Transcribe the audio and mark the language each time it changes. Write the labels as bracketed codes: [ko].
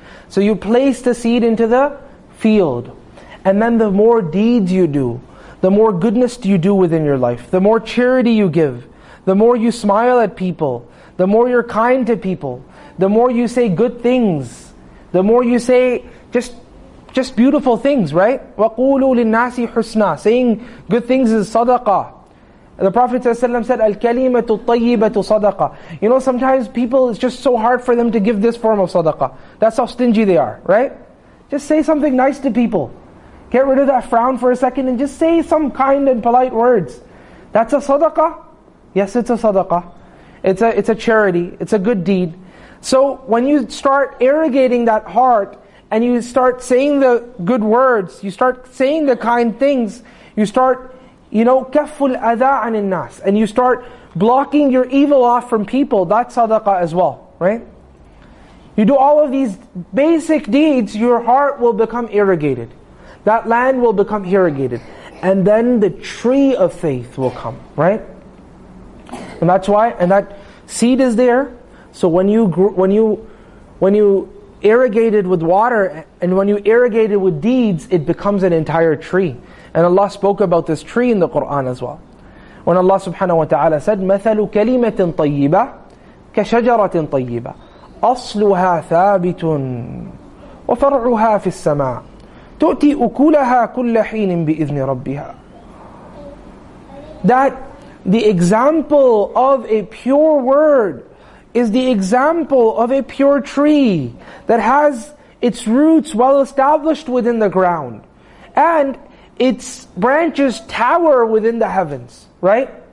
[en] So you place the seed into the field. And then the more deeds you do, the more goodness you do within your life, the more charity you give, the more you smile at people, the more you're kind to people, the more you say good things, the more you say just beautiful things, right? [ar] وَقُولُوا لِلنَّاسِ حُسْنًا. [en] Saying good things is sadaqah. The Prophet ﷺ said, [ar] الْكَلِمَةُ الطَّيِّبَةُ صَدَقَةً. [en] You know, sometimes people, it's just so hard for them to give this form of sadaqah. That's how stingy they are, right? Just say something nice to people. Get rid of that frown for a second and just say some kind and polite words. That's a sadaqah. Yes, it's a sadaqah. It's a charity. It's a good deed. So when you start irrigating that heart and you start saying the good words, you start saying the kind things, you start, you know, [ar] كَفُّ الْأَذَىٰ عَنِ النَّاسِ, [en] and you start blocking your evil off from people, that's sadaqah as well, right? You do all of these basic deeds, your heart will become irrigated. That land will become irrigated. And then the tree of faith will come, right? And that's why, and that seed is there. So when you irrigate it with water, and when you irrigate it with deeds, it becomes an entire tree. And Allah spoke about this tree in the Qur'an as well. When Allah subhanahu wa ta'ala said, [ar] مَثَلُ كَلِمَةٍ طَيِّبَةٍ كَشَجَرَةٍ طَيِّبَةٍ أَصْلُهَا ثَابِتٌ وَفَرْعُهَا فِي السَّمَاءِ تُؤْتِي أُكُولَهَا كُلَّ حِينٍ بِإِذْنِ رَبِّهَا. [en] That the example of a pure word is the example of a pure tree that has its roots well established within the ground. And its branches tower within the heavens, right?